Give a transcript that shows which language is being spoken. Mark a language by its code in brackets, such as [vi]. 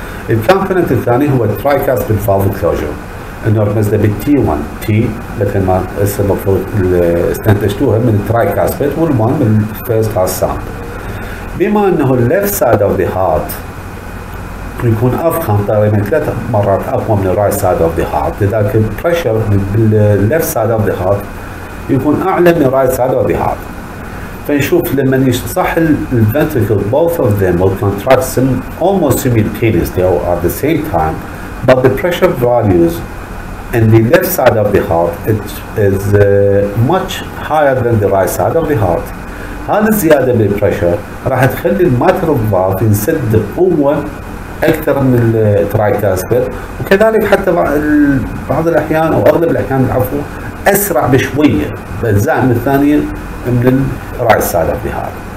[ar] الكومبوننت الثاني هو الترايكاسبيد فالف كلوجر نرمز له بالT1 T مثل ما المفروض استنتجتوها من الترايكاسبيد وال1 من الفيرست هاز ساوند. بما انه الليفت سايد اوف ذا هارت يكون أفخم تقريبا ثلاث مرات أقوى من الرايت سايد اوف ذا هارت لذلك البريشر بالليفت سايد اوف ذا هارت يكون أعلى من الرايت سايد اوف ذا هارت. فنشوف لما يصح الفنتركل [en] both of them will contract almost simultaneously or at the same time but the pressure values in the left side of the heart it is much higher than the right side of the heart. [ar] هذه الزيادة بالبريشر راح تخلي الميتر فالف ينسد بقوة أكثر من الترايكاسبيد وكذلك حتى بعض الأحيان أو أغلب الأحيان عفوا أسرع بشوية بأجزاء من الثانية من الرايت سايد اوف ذا هارت.